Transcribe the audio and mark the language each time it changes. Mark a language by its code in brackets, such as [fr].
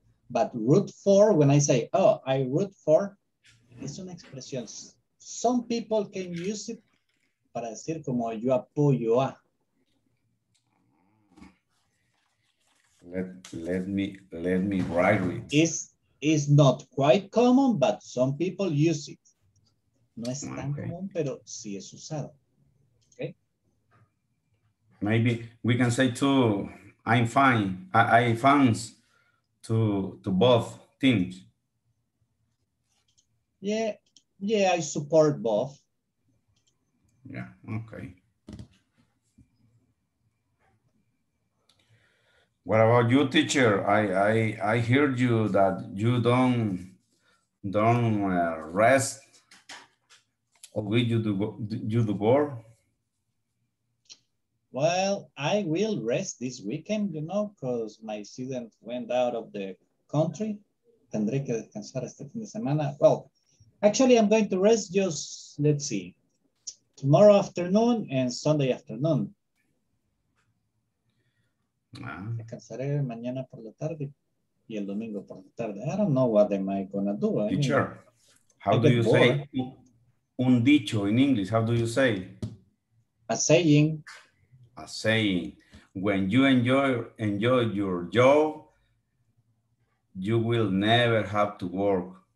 [en] But root for, when I say, oh, I root for, it's an expression. Some people can use it [es] para decir como yo apoyo a. [en] Let me write it. It's not quite common, but some people use it. [es] No es tan común, pero sí es usado. [en] Okay. Maybe we can say too, I'm fine. I fans. To both teams. Yeah, I support both. Yeah, okay. What about you, teacher? I heard you that you don't rest. Will you do work? Well, I will rest this weekend, you know, because my student went out of the country. [es] Tendré que descansar este fin de semana. [en] Well, actually, I'm going to rest just, let's see, tomorrow afternoon and Sunday afternoon. [es] Descansaré mañana por la tarde y el domingo por la tarde. [en] I don't know what am I going to do. Teacher, anymore. How do you say un dicho in English? How do you say? A saying. A saying. When you enjoy your job, you will never have to work.